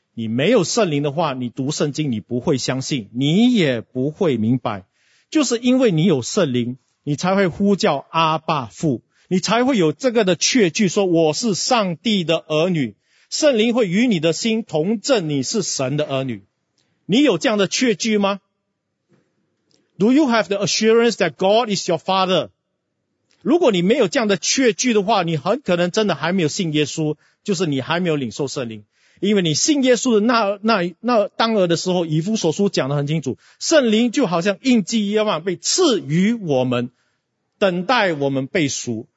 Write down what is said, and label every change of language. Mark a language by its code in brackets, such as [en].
[zh] 你没有圣灵的话，你读圣经你不会相信，你也不会明白。就是因为你有圣灵，你才会呼叫阿爸父，你才会有这个的确据，说我是上帝的儿女。圣灵会与你的心同证你是神的儿女。你有这样的确据吗？ [en] Do you have the assurance that God is your father? [zh] 如果你没有这样的确据的话，你很可能真的还没有信耶稣，就是你还没有领受圣灵。因为你信耶稣的那当儿的时候，以弗所书讲得很清楚，圣灵就好像印记一样被赐予我们，等待我们被赎。